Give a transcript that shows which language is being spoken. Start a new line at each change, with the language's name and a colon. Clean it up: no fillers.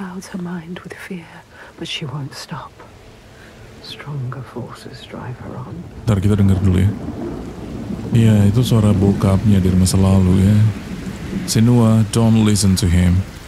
English: Her mind with fear, but she won't stop. Stronger forces drive her on.
Indonesian: Ntar kita dengar dulu ya. Iya, itu suara bokapnya dari masa lalu ya.
English: Senua, don't listen to him.